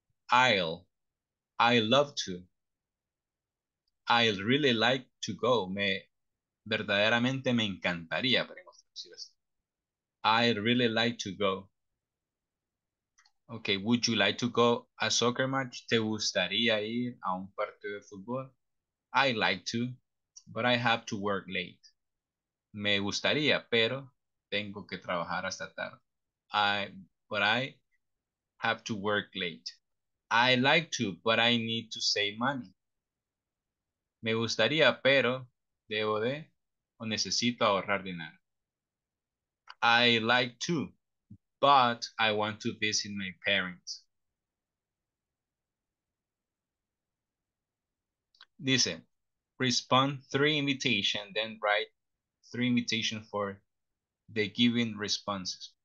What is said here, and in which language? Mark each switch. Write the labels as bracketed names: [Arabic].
[English] I love to. I really like to go. [Spanish] Verdaderamente me encantaría. [English] I really like to go. Okay, would you like to go a soccer match? [Spanish] ¿Te gustaría ir a un partido de fútbol? [English] I like to, but I have to work late. [Spanish] Me gustaría, pero tengo que trabajar hasta tarde. [English] But I have to work late. I like to, but I need to save money. [Spanish] Me gustaría, pero debo de o necesito ahorrar dinero. [English] I like to, but I want to visit my parents. Dice, respond three invitations, then write three invitations for the given responses.